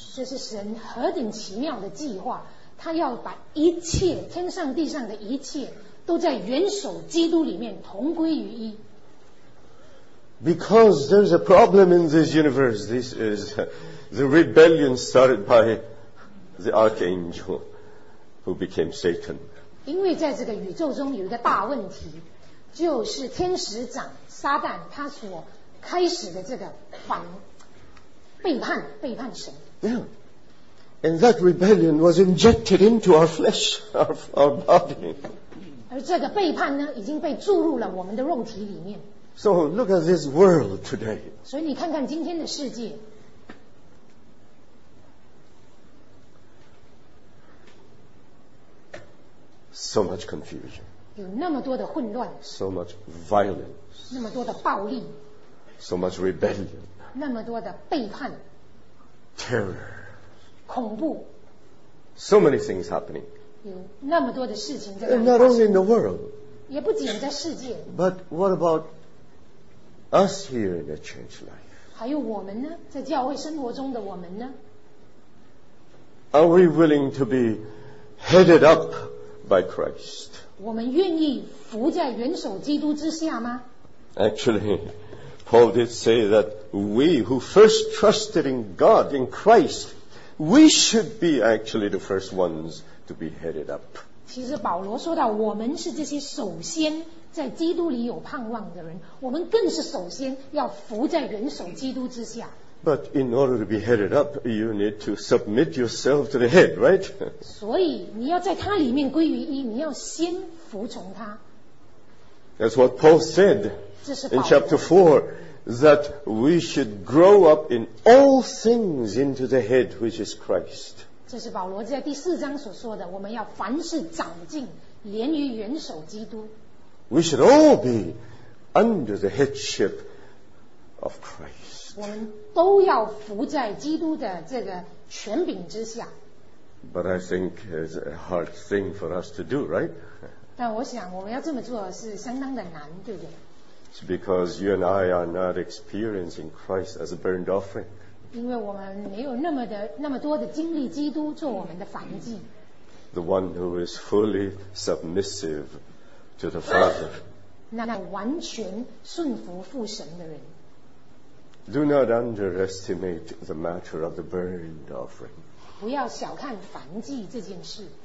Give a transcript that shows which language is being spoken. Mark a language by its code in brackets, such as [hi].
[zh] 这是神何等奇妙的计划，他要把一切天上地上的一切都在元首基督里面同归于一。 [en] Because there's a problem in this universe. This is the rebellion started by the archangel who became Satan. [zh] 因为在这个宇宙中有一个大问题，就是天使长撒旦他所开始的这个反背叛神。 [en] Yeah, and that rebellion was injected into our flesh, our body. [zh] 而这个背叛呢，已经被注入了我们的肉体里面。 [en] So look at this world today. [zh] 所以你看看今天的世界。 [en] So much confusion. [zh] 有那么多的混乱。 [en] So much violence. [zh] 那么多的暴力。 [en] So much rebellion. [zh] 那么多的背叛。 [en] Terror. [zh] 恐怖。 [en] So many things happening. [zh] 有那么多的事情在发生。 [en] And not only in the world. [zh] 也不仅在世界。 [en] But what about us here in the church life? [zh] 还有我们呢？在教会生活中的我们呢？ [en] Are we willing to be headed up? By Christ. [zh] 我们愿意服在元首基督之下吗？ [en] Actually, Paul did say that we who first trusted in God, in Christ, we should be actually the first ones to be headed up. [zh] 其实保罗说到，我们是这些首先在基督里有盼望的人，我们更是首先要服在元首基督之下。 [en] But in order to be headed up, you need to submit yourself to the head, right? [zh] 所以你要在他里面归于一，你要先服从他。 [en] That's what Paul said in chapter 4, that we should grow up in all things into the head, which is Christ. [zh] 这是保罗在第四章所说的，我们要凡事长进，连于元首基督。 [en] We should all be under the headship of Christ. [zh] 我们都要服在基督的这个权柄之下。 [en] But I think it's a hard thing for us to do, right? [zh] 但我想我们要这么做是相当的难，对不对？ [en] It's because you and I are not experiencing Christ as a burnt offering. [zh] 因为我们没有那么多的经历基督做我们的燔祭。 [en] The one who is fully submissive to the Father. [zh] 那完全顺服父神的人。 [en] Do not underestimate the matter of the burnt offering. 不要小看燔祭这件事。